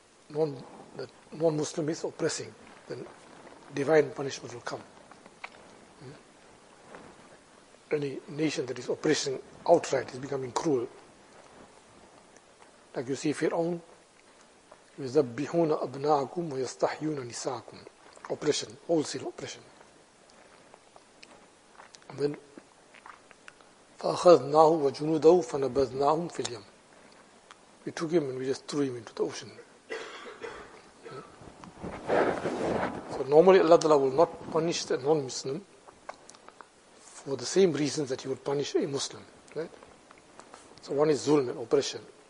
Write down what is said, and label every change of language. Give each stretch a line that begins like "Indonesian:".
English: The non-Muslim is oppressing, then divine punishment will come. Any nation that is oppressing outright is becoming cruel. Like you see
Arabic: Fir'aun, يُذَبِّحُونَ أَبْنَاءَكُمْ وَيَسْتَحْيُونَ نِسَاءَكُمْ.
English: Oppression, wholesale oppression. And then,
Arabic: فَأَخَذْنَاهُ وَجُنُودَهُ فَنَبَذْنَاهُمْ فِي الْيَمِّ.
English: We took him and we just threw him into the ocean. So normally Allah Ta'ala will not punish the non-Muslim for the same reasons that you would punish a Muslim, right? So one is zulm, oppression.